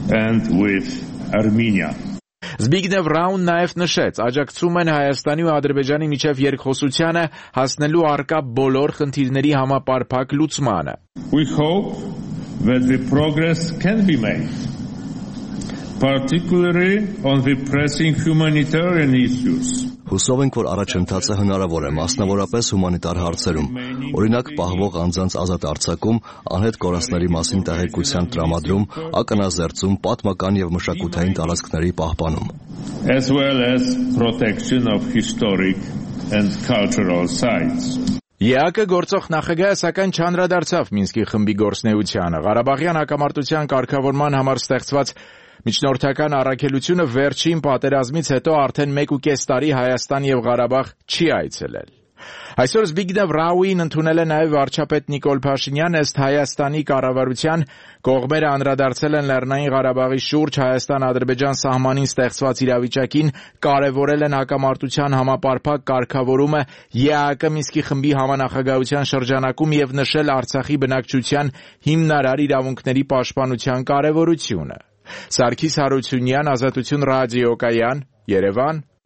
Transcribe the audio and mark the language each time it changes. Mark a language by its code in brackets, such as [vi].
[hy] Զբիգնև Ռաուն նաև նշեց, աջակցում են Հայաստանի ու Ադրբեջանի միջև երկխոսությանը հասնելու առկա բոլոր խնդիրների համապարփակ լուծմանը։ [en] We hope that the progress can be made, particularly on the pressing humanitarian issues. [hy] Հուսով ենք, որ առաջընթացը հնարավոր է, մասնավորապես հումանիտար հարցերում, օրինակ պահվող անձանց ազատ արձակում, անհետ կորածների մասին տեղեկության տրամադրում, ականաձերծում, պատմական և մշակութային տարածքների պահպանում, [en] as well as protection of historic and cultural sites. [hy] ԵԱԿ-ը գործող նախագահը սակայն չանդրադարձավ Մինսկի խմբի գործնեությանը, Ղարաբաղյան հակամարտության կարգավորման համար ստեղծված միջնորդական առաքելությունը վերջին պատերազմից հետո արդեն 1.5 տարի Հայաստան և Ղարաբաղ չի այցելել։ Այսօր Զբիգնև Ռաուին ընդունել է նաև վարչապետ Նիկոլ Փաշինյան, ըստ Հայաստանի կառավարության կողմերը անդրադարձել են Լեռնային Ղարաբաղի շուրջ Հայաստան-Ադրբեջան սահմանին ստեղծված իրավիճակին, կարևորել են հակամարտության համապարփակ կարգավորումը ԵԱԿ Մինսկի խմբի համանախագահության շրջանակում և նշել Արցախի բնակչության հիմնարար իրավունքների պաշտպանության կարևորությունը։ Սարգիս Հարությունյան, Ազատություն ռադիո Կայան, Երևան։